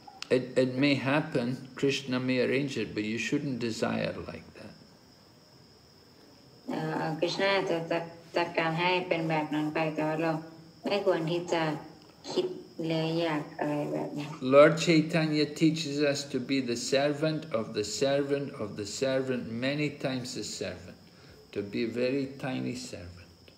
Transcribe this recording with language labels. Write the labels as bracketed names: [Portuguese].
[English] It may happen, Krishna may arrange it, but you shouldn't desire like that. [Thai] Krishna จัดการให้เป็นแบบนั้นไปแต่ว่าเราไม่ควรที่จะคิดเลยอยากอะไรแบบนี้ [English] Lord Chaitanya teaches us to be the servant of the servant of the servant many times the servant to be a very tiny servant